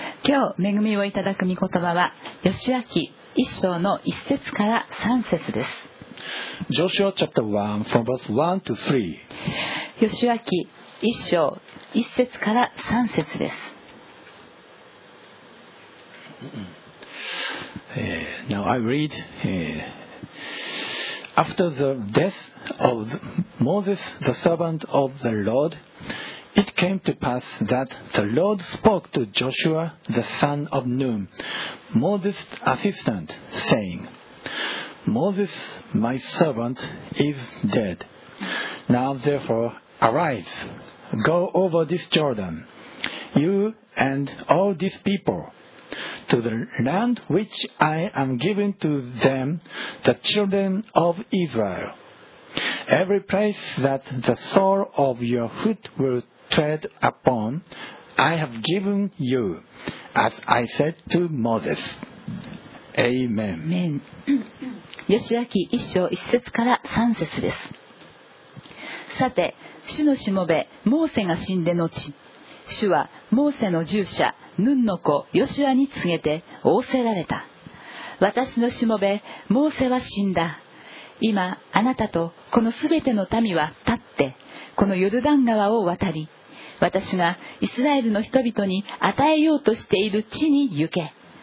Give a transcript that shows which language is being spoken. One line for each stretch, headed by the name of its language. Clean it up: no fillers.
Japanese: 今日恵みをいただく御言葉は、ヨシュア記一章の一節から三節です。
English: Joshua chapter 1, from verse 1 to 3.
Japanese: ヨシュア記一章一節から三節です。
English: Now I read, after the death of Moses, the servant of the Lord, it came to pass that the Lord spoke to Joshua, the son of Nun, Moses' assistant, saying, Moses, my servant, is dead. Now therefore, arise, go over this Jordan, you and all this people, to the land which I am giving to them, the children of Israel. Every place that the sole of your foot will tread upon, I have given you, as I said to Moses. Amen. Amen.
Japanese: ヨシュア記一章一節から三節です。さて、主のしもべ、モーセが死んで後、主はモーセの従者、ヌンの子ヨシュアに告げて仰せられた。私のしもべ、モーセは死んだ。今あなたとこのすべての民は立ってこのヨルダン川を渡り、私がイスラエルの人々に与えようとしている地に行け。